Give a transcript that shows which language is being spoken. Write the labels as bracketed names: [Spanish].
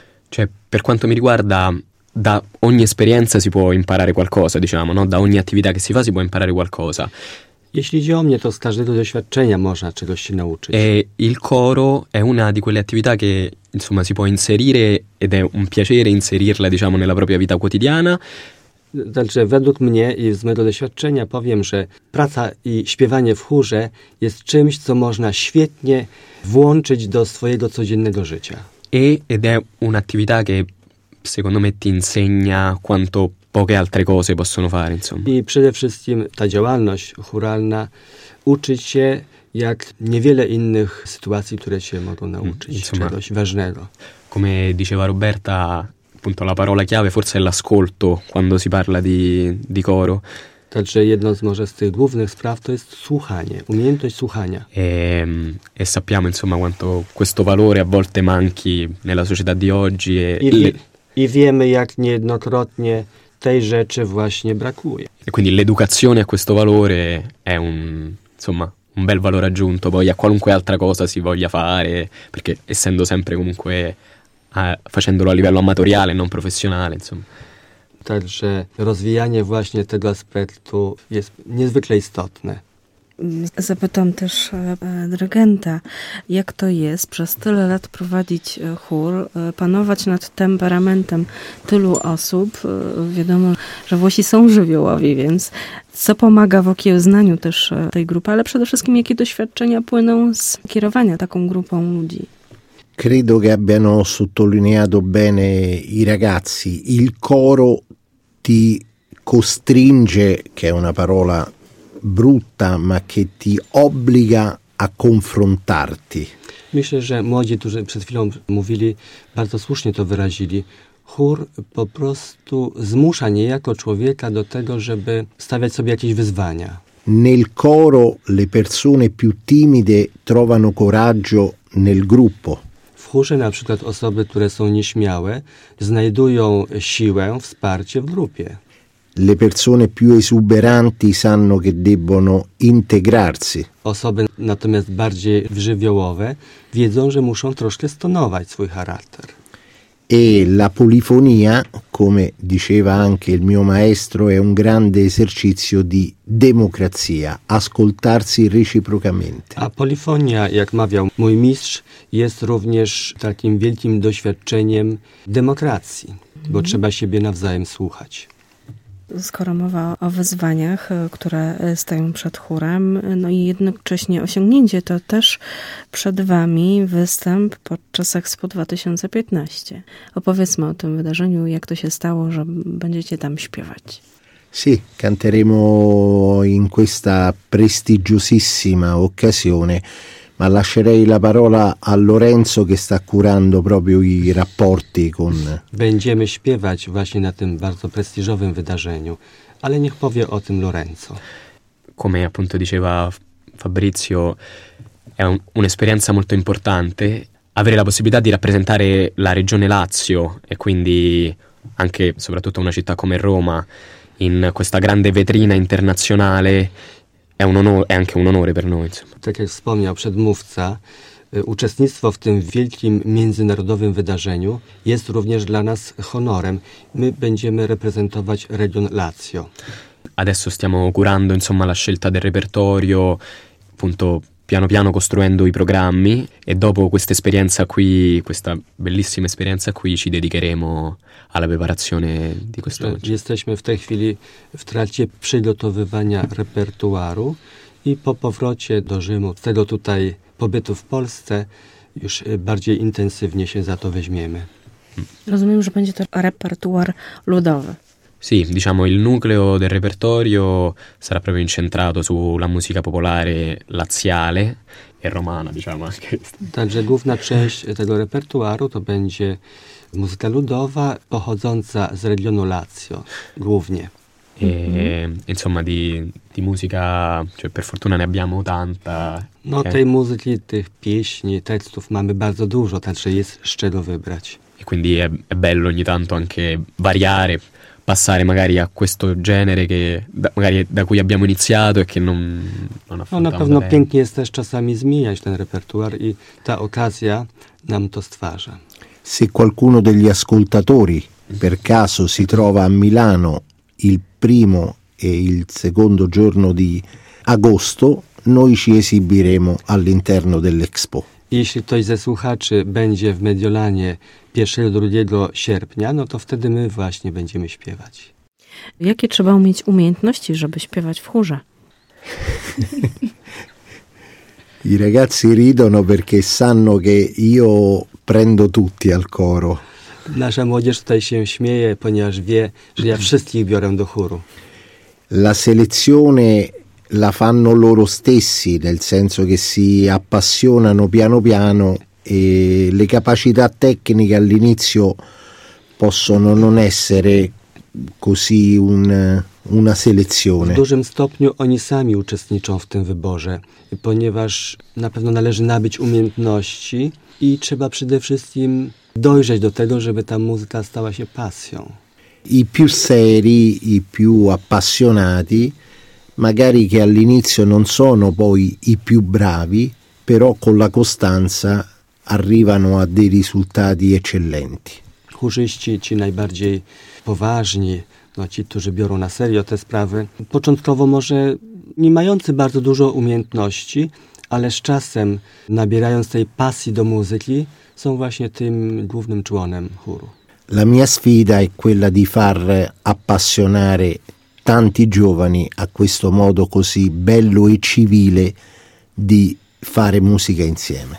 [Italian] Cioè, per quanto mi riguarda, da ogni esperienza si può imparare qualcosa, diciamo, no? Da ogni attività che si fa si può imparare qualcosa. [Polish] Jeśli idzie o mnie, to z każdego doświadczenia można czegoś się nauczyć. [Italian] E il coro è una di quelle attività che, insomma, si può inserire ed è un piacere inserirla, diciamo, nella propria vita quotidiana. [Polish] Także według mnie i z mojego doświadczenia powiem, że praca i śpiewanie w chórze jest czymś, co można świetnie włączyć do swojego codziennego życia. [Italian] Ed è un'attività che secondo me ti insegna quanto poche altre cose possono fare, insomma. [Polish] I przede wszystkim ta działalność choralna uczy cię jak niewiele innych sytuacji, które cię mogą nauczyć, [Italian] insomma, [Polish] czegoś ważnego. [Italian] Come diceva Roberta, appunto la parola chiave forse è l'ascolto quando si parla di coro. [Polish] Także jedno z może z tych głównych spraw to jest słuchanie, umiejętność słuchania. [Italian] E sappiamo insomma quanto questo valore a volte manchi nella società di oggi. [Polish] I wiemy jak niejednokrotnie tej rzeczy właśnie brakuje. [Italian] E quindi l'educazione a questo valore è un bel valore aggiunto poi a qualunque altra cosa si voglia fare, perché essendo sempre comunque... facendolo a livello amatoriale, non professionale, insomma. [Polish] Także rozwijanie właśnie tego aspektu jest niezwykle istotne. Zapytam też dyrygenta, jak to jest przez tyle lat prowadzić chór, panować nad temperamentem tylu osób. Wiadomo, że Włosi są żywiołowi, więc co pomaga w okiełznaniu też tej grupy, ale przede wszystkim jakie doświadczenia płyną z kierowania taką grupą ludzi? [Italian] Credo che abbiano sottolineato bene i ragazzi. Il coro ti costringe, che è una parola brutta, ma che ti obbliga a confrontarti. [Polish] Myślę, że młodzi, którzy przed chwilą mówili, bardzo słusznie to wyrazili. chór po prostu zmusza niejako człowieka do tego, żeby stawiać sobie jakieś wyzwania. [Italian] Nel coro le persone più timide trovano coraggio nel gruppo. [Polish] W chórze na przykład osoby, które są nieśmiałe, znajdują siłę, wsparcie w grupie. [Italian] Le persone più esuberanti sanno che debbono integrarsi. [Polish] Osoby natomiast bardziej żywiołowe wiedzą, że muszą troszkę stonować swój charakter. [Italian] E la polifonia, come diceva anche il mio maestro, è un grande esercizio di democrazia, ascoltarsi reciprocamente. [Polish] A polifonia, jak mawiał mój mistrz, jest również takim wielkim doświadczeniem demokracji, bo trzeba siebie nawzajem słuchać. Skoro mowa o wyzwaniach, które stają przed chórem, no i jednocześnie osiągnięcie, to też przed wami występ podczas Expo 2015. Opowiedzmy o tym wydarzeniu, jak to się stało, że będziecie tam śpiewać. [Italian] Sì, canteremo in questa prestigiosissima occasione, ma lascerei la parola a Lorenzo, che sta curando proprio i rapporti con... [Polish] Będziemy śpiewać właśnie na tym bardzo prestiżowym wydarzeniu, ale niech powie o tym Lorenzo. [Italian] Come appunto diceva Fabrizio, è un'esperienza molto importante avere la possibilità di rappresentare la regione Lazio e quindi anche soprattutto una città come Roma in questa grande vetrina internazionale. È anche un onore per noi. [Polish] Tak jak wspomniał przedmówca, uczestnictwo w tym wielkim międzynarodowym wydarzeniu jest również dla nas honorem. My będziemy reprezentować region Lazio. [Italian] Adesso stiamo curando, insomma, la scelta del repertorio, appunto piano piano costruendo i programmi, e dopo questa esperienza qui, questa bellissima esperienza qui, ci dedicheremo alla preparazione di questo. [Polish] Jesteśmy w tej chwili w trakcie przygotowywania repertuaru i po powrocie do Rzymu, z tego tutaj pobytu w Polsce, już bardziej intensywnie się za to weźmiemy. Rozumiem, że będzie to repertuar ludowy. [Italian] Sì, diciamo il nucleo del repertorio sarà proprio incentrato sulla musica popolare laziale e romana, diciamo. [Polish] Także główna część tego repertuaru to będzie muzyka ludowa pochodząca z regionu Lazio, głównie. [Italian] E, insomma, di musica, cioè per fortuna ne abbiamo tanta. [Polish] No, tej muzyki, tych pieśni, tekstów mamy bardzo dużo, także jest z czego wybrać. [Italian] E quindi è bello ogni tanto anche variare. Passare magari a questo genere che magari da cui abbiamo iniziato e che non affrontiamo. [Polish] No, na pewno pięknie jest też czasami zmieniać ten repertuar i ta okazja nam to stwarza. [Italian] Se qualcuno degli ascoltatori per caso si trova a Milano il primo e il secondo giorno di agosto, noi ci esibiremo all'interno dell'Expo. [Polish] Jeśli ktoś ze słuchaczy będzie w Mediolanie 1-2 sierpnia, no to wtedy my właśnie będziemy śpiewać. Jakie trzeba mieć umiejętności, żeby śpiewać w chórze? [Italian] I ragazzi ridono perché sanno che io prendo tutti al coro. [Polish] Nasza młodzież tutaj się śmieje, ponieważ wie, że ja wszystkich biorę do chóru. [Italian] La selezione la fanno loro stessi, nel senso che si appassionano piano piano e le capacità tecniche all'inizio possono non essere così una selezione. [Polish] W dużym stopniu oni sami uczestniczą w tym wyborze, ponieważ na pewno należy nabyć umiejętności i trzeba przede wszystkim dojrzeć do tego, żeby ta muzyka stała się pasją. [Italian] I più seri, i più appassionati magari che all'inizio non sono poi i più bravi, però con la costanza arrivano a dei risultati eccellenti. [Polish] Chórzyści, ci najbardziej poważni, no ci, którzy biorą na serio te sprawy, początkowo może nie mający bardzo dużo umiejętności, ale z czasem nabierając tej pasji do muzyki, są właśnie tym głównym członem chóru. [Italian] La mia sfida è quella di far appassionare tanti giovani a questo modo così bello e civile di fare musica insieme.